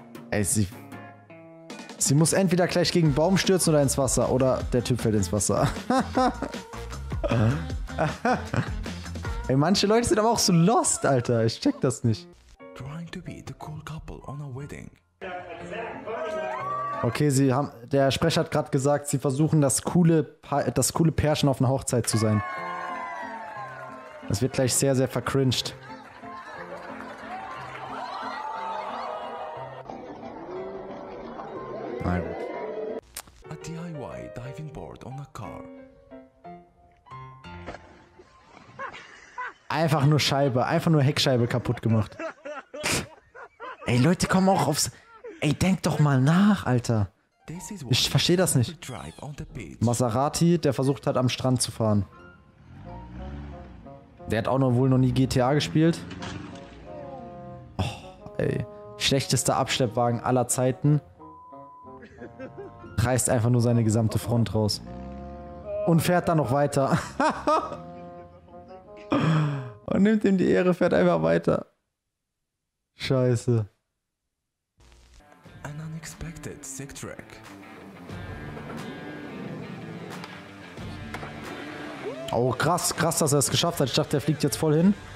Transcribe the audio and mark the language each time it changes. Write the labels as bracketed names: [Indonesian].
[German] Ey, sie muss entweder gleich gegen einen Baum stürzen oder ins Wasser. Oder der Typ fällt ins Wasser. Ey, manche Leute sind aber auch so lost, Alter. Ich check das nicht. [English] Trying to be the cool couple on a wedding. [German] Okay, sie haben. Der Sprecher hat gerade gesagt, sie versuchen das coole Pärchen auf einer Hochzeit zu sein. Das wird gleich sehr, sehr vercringed. [English] A DIY diving board on a car. [German] Einfach nur Scheibe, einfach nur Heckscheibe kaputt gemacht. Ey, Leute, komm auch aufs. Ey, denk doch mal nach, Alter. Ich verstehe das nicht. Maserati, der versucht hat, am Strand zu fahren. Der hat auch wohl noch nie GTA gespielt. Oh, ey. Schlechtester Abschleppwagen aller Zeiten. Reißt einfach nur seine gesamte Front raus. Und fährt dann noch weiter. Und nimmt ihm die Ehre, fährt einfach weiter. Scheiße. [English] An unexpected sick track. [German] Oh, krass, krass, dass er es geschafft hat. Ich dachte, der fliegt jetzt voll hin.